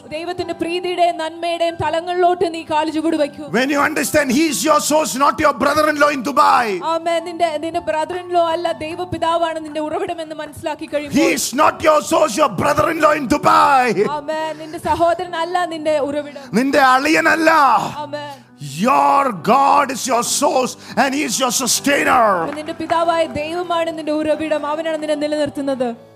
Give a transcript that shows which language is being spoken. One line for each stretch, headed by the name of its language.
Malayalam: ദൈവത്തിന്റെ പ്രീതിയുടെ നന്മയുടെയും തലങ്ങളിലോട്ട് നീ കാൽ ചുവട് വെക്കൂ.
English: When you understand he is your source not your brother in law in Dubai.
Malayalam: ആമേൻ നിന്റെ
English: brother in law
Malayalam: അല്ല ദൈവപിതാവാണ് നിന്റെ ഉറവിടം എന്ന് മനസ്സിലാക്കി കഴിയുമ്പോൾ.
English: He is not your source your brother in law in Dubai.
Malayalam: ആമേൻ നിന്റെ സഹോദരൻ അല്ല നിന്റെ ഉറവിടം. നിന്റെ അളിയൻ അല്ല. ആമേൻ.
English: Your God is your source and he is your sustainer.
Malayalam: നിന്റെ പിതാവായ ദൈവമാണ് നിന്റെ ഉറവിടം അവനാണ് നിന്നെ നിലനിർത്തുന്നത്.